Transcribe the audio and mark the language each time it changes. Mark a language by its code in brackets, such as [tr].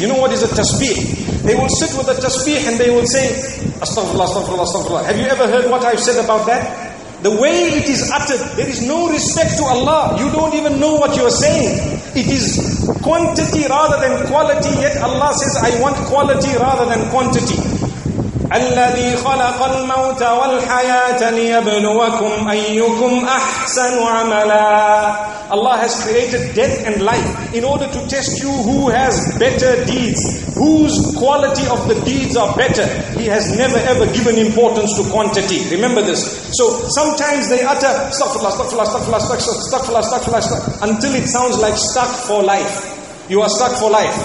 [en] You know what is a tasbih? They will sit with a tasbih and they will say Astaghfirullah, Astaghfirullah, Astaghfirullah. Have you ever heard what I've said about that? The way it is uttered, there is no respect to Allah. You don't even know what you are saying. It is quantity rather than quality, yet Allah says I want quality rather than quantity. [ar] الذي خلق الموت والحياة ليبلوكم أيكم أحسن عملا. [en] Allah has created death and life in order to test you who has better deeds, whose quality of the deeds are better. He has never ever given importance to quantity. Remember this. So sometimes they utter astaghfirullah, astaghfirullah, astaghfirullah, astaghfirullah, astaghfirullah, astaghfirullah, astaghfirullah, until it sounds like stuck for life. You are stuck for life.